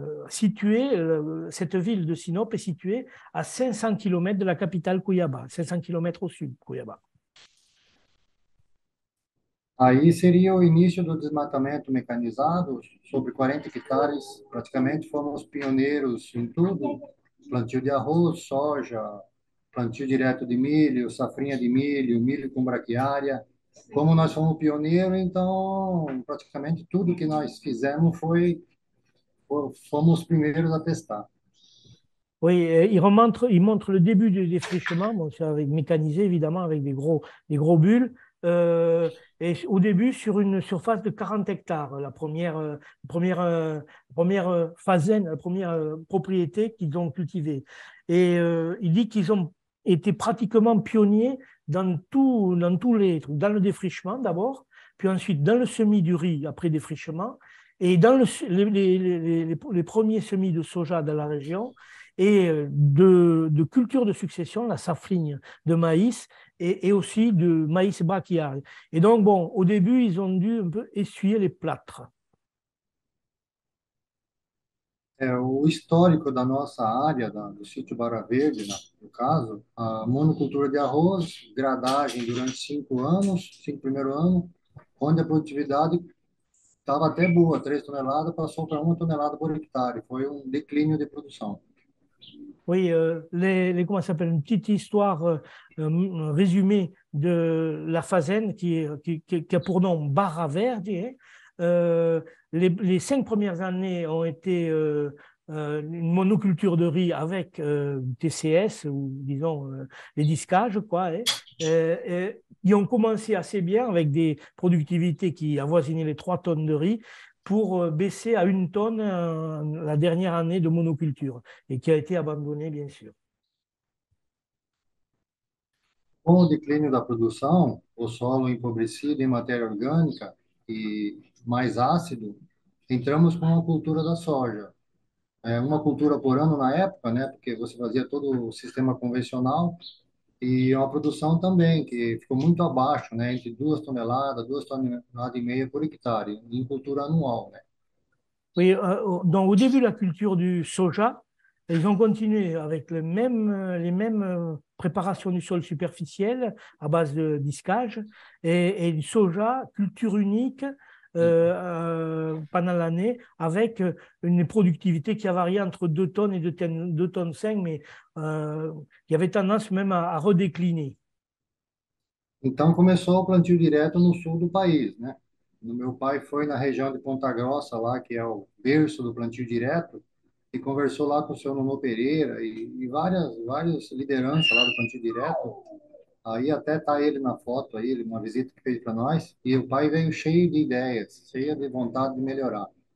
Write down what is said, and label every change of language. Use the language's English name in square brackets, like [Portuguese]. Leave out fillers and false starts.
[French] Cette ville de Sinop est située à 500 km de la capitale Cuiabá, 500 km au sud Cuiabá. [Portuguese] Aí seria o início do desmatamento mecanizado, sobre 40 hectares, praticamente fomos pioneiros em tudo, plantio de arroz, soja, plantio direto de milho, safrinha de milho, milho com braquiária. Como nós fomos pioneiros, então praticamente tudo que nós fizemos fomos os primeiros a testar. [French] Oui, il montre le début du défrichement, bon, c'est avec mécanisé évidemment, avec des gros bulles. Et au début, sur une surface de 40 hectares, la première propriété qu'ils ont cultivée. Et il dit qu'ils ont été pratiquement pionniers dans le défrichement d'abord, puis ensuite dans le semis du riz après défrichement, et dans les premiers semis de soja dans la région, et de culture de succession, la safrine de maïs, et aussi de maïs braquial. Et donc, bon, au début, ils ont dû un peu essuyer les plâtres. [Portuguese] O histórico da nossa área, do sítio Barra Verde, no caso, a monocultura de arroz, grandagem durante 5 anos, 5 primeiros anos, onde a produtividade estava até boa, 3 toneladas, passou para 1 tonelada por hectare, foi um declínio de produção. [French] Oui, comment ça s'appelle, une petite histoire, un résumé de la Fazenda qui a pour nom Barra Verde. Hein. Les 5 premières années ont été une monoculture de riz avec TCS, ou disons les disquages, quoi. Hein. Ils ont commencé assez bien avec des productivités qui avoisinaient les 3 tonnes de riz, pour baisser à 1 tonne la dernière année de monoculture, et qui a été abandonnée, bien sûr. [Portuguese] Com o declínio da produção, o solo empobrecido em matéria orgânica e mais ácido, entramos com a cultura da soja. É uma cultura por ano na época, né? Porque você fazia todo o sistema convencional e uma produção também que ficou muito abaixo, né? Entre 2 toneladas, 2,5 toneladas por hectare, em cultura anual, né? [French] Oui, donc au début de la culture du soja, ils ont continué avec les mêmes préparations du sol superficiel à base de disquage et du soja culture unique pendant l'année avec une productivité qui a varié entre 2 tonnes et 2 tonnes 5, mais il y avait tendance même à redécliner. [Portuguese] Então começou o plantio direto no sul do país, né? No meu pai foi na região de Ponta Grossa lá, que é o berço do plantio direto, e conversou lá com o seu Nuno Pereira e várias lideranças lá do plantio direto. Aí até tá ele na foto aí, uma visita que fez para nós, e o pai veio cheio de ideias, cheio de vontade de melhorar.